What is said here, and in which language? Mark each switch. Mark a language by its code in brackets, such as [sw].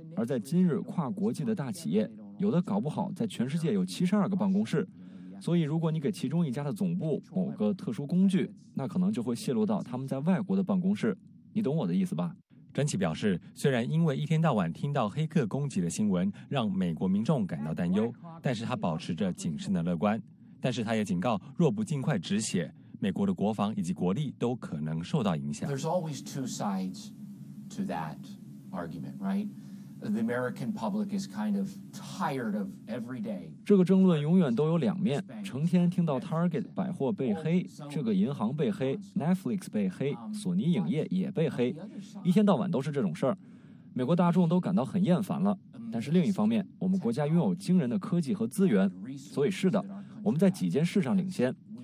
[zh] 而在今日，跨国际的大企业有的搞不好在全世界有72个办公室，所以如果你给其中一家的总部某个特殊工具，那可能就会泄露到他们在外国的办公室，你懂我的意思吧？詹奇表示，虽然因为一天到晚听到黑客攻击的新闻让美国民众感到担忧，但是他保持着谨慎的乐观。但是他也警告，若不尽快止血，美国的国防以及国力都可能受到影响。 [en] There's always two sides to that argument, right? The American public is kind of tired of every day. [zh] 这个争论永远都有两面，成天听到 Target 百货被黑，这个银行被黑， Netflix 被黑，索尼影业也被黑，一天到晚都是这种事儿，美国大众都感到很厌烦了。但是另一方面，我们国家拥有惊人的科技和资源，所以是的，我们在几件事上领先。